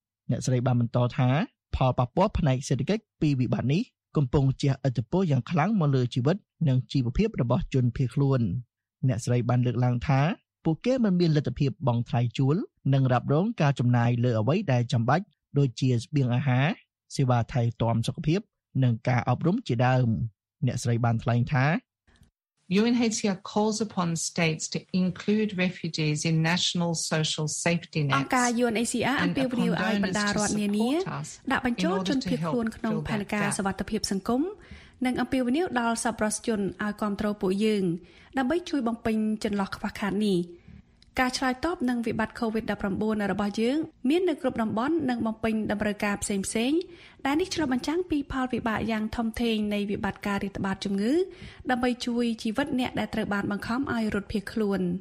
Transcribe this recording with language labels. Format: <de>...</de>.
<km>អ្នកស្រីបានបន្តថាផលប៉ះពាល់ផ្នែកសេដ្ឋកិច្ចពីវិបត្តិនេះកំពុងជះឥទ្ធិពលយ៉ាងខ្លាំងមកលើជីវិតនិងជីវភាពរបស់ជនភៀសខ្លួនអ្នកស្រីបានលើកឡើងថាពួកគេមិនមានលទ្ធភាពបង់ថ្លៃជួលនិងរ៉ាប់រងការចំណាយលើអ្វីដែលចាំបាច់ដូចជាស្បៀងអាហារសេវាថែទាំសុខភាពនឹងការអប់រំជាដើមអ្នកស្រីបានថ្លែងថា</km> <en>UNHCR calls upon states to include refugees in national social safety nets</en> <km>អង្គការ UNHCR អំពាវនាវឲ្យបណ្ដារដ្ឋនានាដាក់បញ្ចូលជនភៀសខ្លួនក្នុងផែនការសុវត្ថិភាពសង្គមនិងអំពាវនាវដល់សប្បុរសជនឲ្យគាំទ្រពួកយើងដើម្បីជួយបំពេញចន្លោះខ្វះខាតនេះការឆ្លើយតបនឹងវិបត្តិ COVID-19 របស់យើងមាននៅគ្រប់តំបន់និងបំពេញតម្រូវការផ្សេងៗដែលនេះឆ្លុះបញ្ចាំងពីផលវិបាកយ៉ាងធំធេងនៃវិបត្តិការរាតត្បាតជំងឺដើម្បីជួយជីវិតអ្នកដែលត្រូវបានបង្ខំឲ្យរត់ភៀសខ្លួន</km>